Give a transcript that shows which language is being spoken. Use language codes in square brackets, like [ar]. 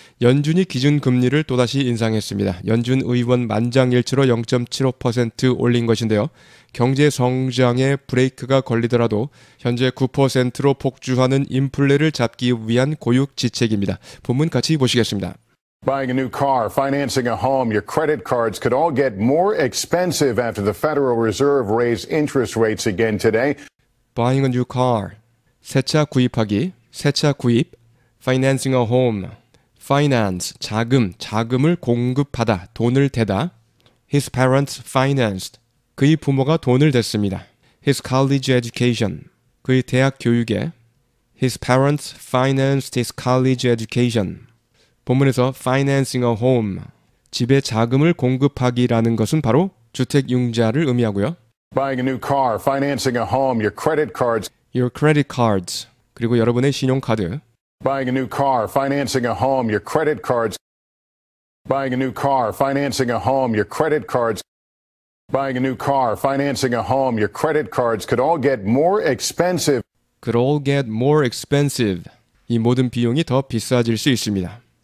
[ko] 연준이 기준금리를 또다시 인상했습니다. 연준 의원 만장일치로 0.75% 올린 것인데요. 경제 성장에 브레이크가 걸리더라도 현재 9%로 폭주하는 인플레를 잡기 위한 고육지책입니다. 본문 같이 보시겠습니다. [en] Buying a new car, financing a home, your credit cards could all get more expensive after the Federal Reserve raised interest rates again today. Buying a new car. [ko] 새 차 구입하기, 새 차 구입, [en] financing a home, [ko] finance, 자금, 자금을 공급하다, 돈을 대다. [en] His parents financed, [ko] 그의 부모가 돈을 댔습니다. [en] His college education, [ko] 그의 대학 교육에. [en] His parents financed his college education. [ko] 본문에서 [en] financing a home, [ko] 집에 자금을 공급하기라는 것은 바로 주택 융자를 의미하고요. [en] Buying a new car, financing a home, your credit cards. Your credit cards, [ko] 그리고 여러분의 신용카드. [en] Buying a new car, financing a home, your credit cards. Buying a new car, financing a home, your credit cards. Buying a new car, financing a home, your credit cards could all get more expensive. Could all get more expensive. [ko] 이 모든 비용이 더 비싸질 수 있습니다.